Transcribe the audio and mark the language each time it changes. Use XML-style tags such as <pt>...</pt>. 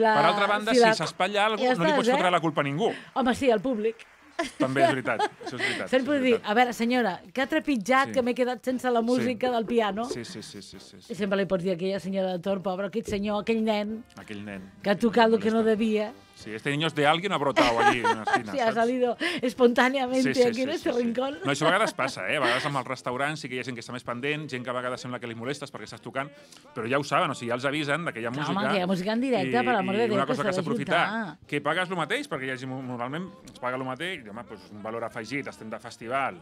<ca>per altra banda, si s'espatlla alguna cosa, ja no li pots fotre la culpa a ningú. Home, sí, al públic. També és veritat. Això és veritat. Se'n pot dir, a veure, senyora, que ha trepitjat que m'he quedat sense la música del piano. Sí. I sempre li pots dir a aquella senyora de torn, pobre, aquest senyor, aquell nen... Aquell nen. Que ha tocat el que no devia.</ca> <es>Sí, este niño es de alguien ha brotado allí. Sí, ha salido espontàniamente aquí en este rincón.</es> <ca>No, això a vegades passa, eh? A vegades amb els restaurants sí que hi ha gent que està més pendent, gent que a vegades sembla que li molestes perquè estàs tocant, però ja ho saben, o sigui, ja els avisen d'aquella música. Home, aquella música en directe, per l'amor de Déu, una cosa que s'aprofitar. Que pagues el mateix, perquè hi hagi, normalment, es paga el mateix, i home, doncs un valor afegit, estem de festival.</ca>